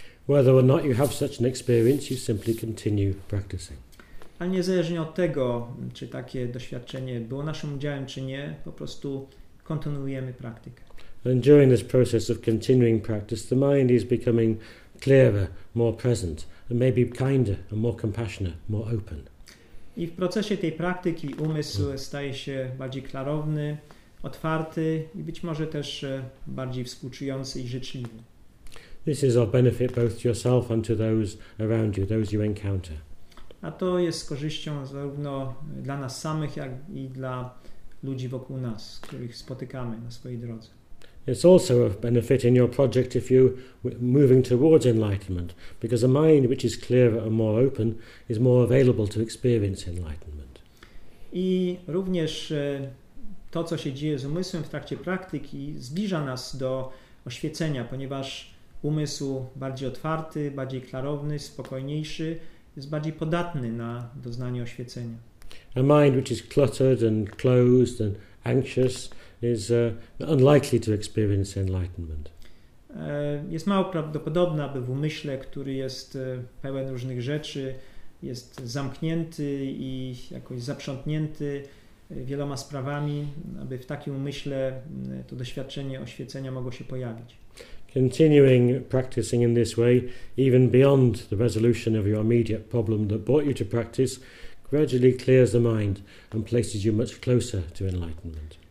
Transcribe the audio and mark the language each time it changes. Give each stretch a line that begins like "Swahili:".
English: Whether or not you have such an experience, you simply continue practicing.
Polish: Ale niezależnie od tego, czy takie doświadczenie było naszym udziałem, czy nie, po prostu kontynuujemy praktykę.
English: And during this process of continuing practice, the mind is becoming clearer, more present, and maybe kinder, and more compassionate, more open.
Polish: I w procesie tej praktyki umysł staje się bardziej klarowny, otwarty i być może też bardziej współczujący i życzliwy.
English: This is of benefit both to yourself and to those around you, those you encounter.
Polish: A to jest z korzyścią zarówno dla nas samych, jak i dla ludzi wokół nas, których spotykamy na swojej drodze.
English: It's also of benefit in your project if you're moving towards enlightenment, because a mind which is clearer and more open is more available to experience enlightenment.
Polish: I również to, co się dzieje z umysłem w trakcie praktyki, zbliża nas do oświecenia, ponieważ umysł bardziej otwarty, bardziej klarowny, spokojniejszy, jest bardziej podatny na doznanie oświecenia.
English: A mind which is cluttered and closed and anxious is unlikely to experience enlightenment.
Polish: Jest mało prawdopodobne, aby w umyśle, który jest pełen różnych rzeczy, jest zamknięty i jakoś zaprzątnięty wieloma sprawami, aby w takim umyśle to doświadczenie oświecenia mogło się pojawić.
English: Continuing practicing in this way, even beyond the resolution of your immediate problem that brought you to practice, gradually clears the mind and places you much closer to enlightenment.